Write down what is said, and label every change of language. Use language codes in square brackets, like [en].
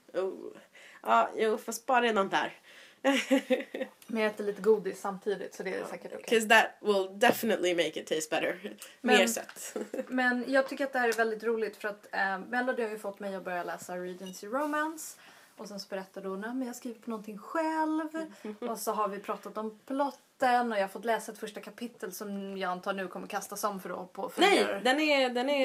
[sv] Oh. Ja, jag får spara redan där. Men jag äter lite godis samtidigt, så det är säkert okej. [en] Okay. 'Cause that will definitely make it taste better. [sv] Men, mer sött. Men jag tycker att det här är väldigt roligt, för att Melody har ju fått mig att börja läsa Regency Romance. Och sen så berättade hon, men jag skriver på någonting själv. Och så har vi pratat om plotten och jag har fått läsa ett första kapitel som jag antar nu kommer kastas om för då. På Nej, den är...